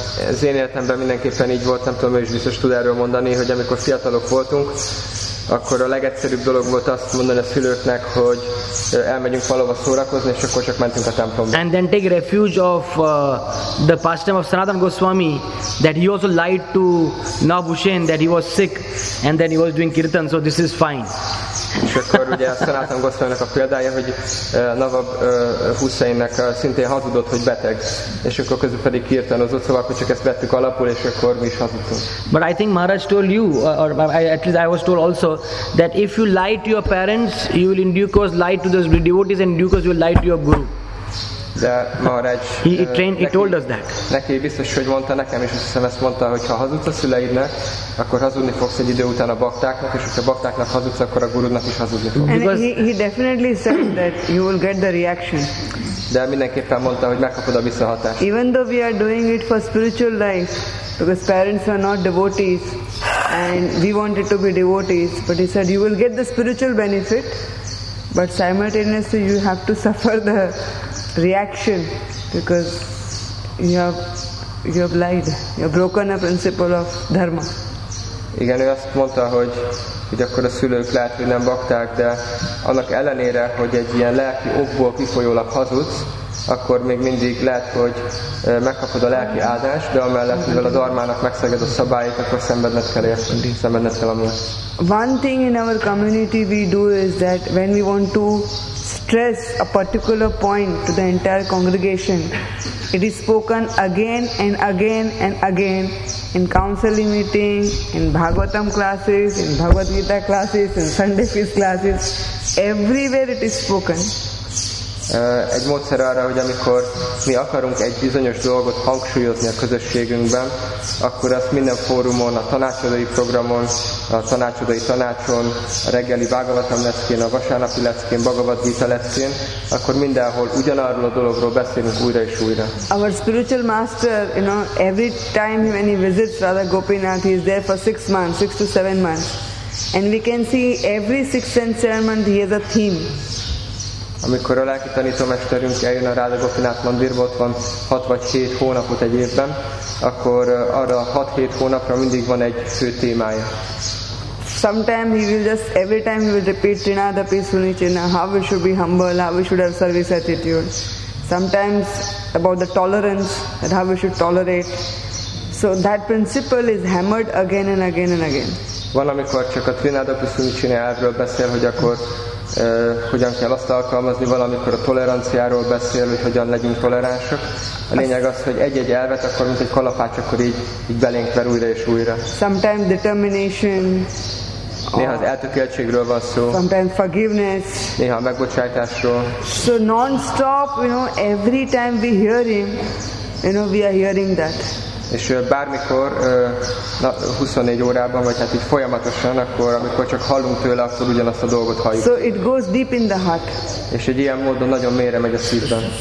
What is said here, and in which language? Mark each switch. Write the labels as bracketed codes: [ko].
[hu] Az én életemben mindenképpen így volt, nem tudom, hogy is biztos tud erről mondani, hogy amikor fiatalok voltunk, akkor a legegyszerűbb dolog volt azt mondani a szülőknek, hogy elmegyünk valóban szórakozni, és akkor csak mentünk a templomba. [en] And then take refuge of the pastime of Sanatan Goswami, that he also lied to Nabhushen that he was sick, and then he was doing kirtan, so this is fine. [hu] És akkor ugye a Sanatan Goswaminak a példája, hogy Navab Husseinnek szintén hazudott, hogy beteg, és akkor közül pedig kirtanozott, szóval akkor csak ezt vettük alapul, és akkor mi is hazudtunk. [en] But I think Maharaj told you, or at least I was told also, that if you lie to your parents, you will in due course lie to those devotees, and in due course you will lie to your guru. [hu] De Maharaj, [en] he told us that. [hu] Neki biztos, hogy mondta nekem is, hiszem ezt mondta, hogy ha hazudsz a szüleidnek, akkor hazudni fogsz egy idő után a baktáknak, és hogyha baktáknak hazudsz, akkor a gurudnak is hazudni fogsz. [en] And he definitely said that you will get the reaction. [hu] De mindenképpen mondta, hogy megkapod a visszahatást. [en] Even though we are doing it for spiritual life, because parents are not devotees, and we wanted to be devotees, but he said you will get the spiritual benefit, but simultaneously you have to suffer the reaction because you have lied, you have broken a principle of dharma. [hu] Igen, ő azt mondta, hogy akkor a szülők lehet, hogy nem bakták, de annak ellenére, hogy egy ilyen lelki okból kifolyólag hazudsz, akkor még mindig lehet, hogy megkapod a lelki áldást, de amellett, mivel a dharmának megszeged a szabályt, akkor szenvedned kell érteni, szenvedned kell amúgy. [en] One thing in our community we do is that when we want to stress a particular point to the entire congregation, it is spoken again and again and again in counseling meeting, in Bhagavatam classes, in Bhagavad Gita classes, in Sunday feast classes, everywhere it is spoken. [hu] Egy módszer arra, hogy amikor mi akarunk egy bizonyos dolgot hangsúlyozni a közösségünkben, akkor azt minden fórumon, a tanácsadói programon, a tanácsadói tanácson, a reggeli Bhagavatam leckén, a vasárnapi leckén, Bhagavad Gita leckén, akkor mindenhol ugyanarról a dologról beszélünk újra és újra. [en] Our spiritual master, you know, every time when he visits Radha Gopinath, he is there for 6 months, 6 to 7 months. And we can see every 6th and 7th month he has a theme. [hu] Amikor a lelki tanítómesterünk eljön a Radha Gopinath Mandirba, ott van 6 vagy 7 hónapot egy évben, akkor arra 6-7 hónapra mindig van egy fő témája. [en] Sometimes he will just, every time he will repeat Trinadapi Suni Chinna, how we should be humble, how we should have service attitude. Sometimes about the tolerance, that how we should tolerate. So that principle is hammered again and again and again. [hu] Van, amikor csak a Trinadapi Suni Chinna erről beszél, hogy akkor Hogyan kell azt alkalmazni, valamikor a toleranciáról beszél, hogy hogyan legyünk toleránsok. A lényeg az, hogy egy-egy elvet, akkor mint egy kalapács, akkor így belénk ver újra és újra. [en] Sometimes determination. [hu] Néha az eltökéltségről van szó. [en] Sometimes forgiveness. [hu] Néha a megbocsátásról. [en] So non-stop, you know, every time we hear him, you know, we are hearing that. [hu] És bármikor, 24 órában, vagy hát így folyamatosan, akkor amikor csak hallunk tőle, akkor ugyanazt a dolgot halljuk. [en] So it goes deep in the heart. [hu] És egy ilyen módon nagyon mélyre megy a szívben.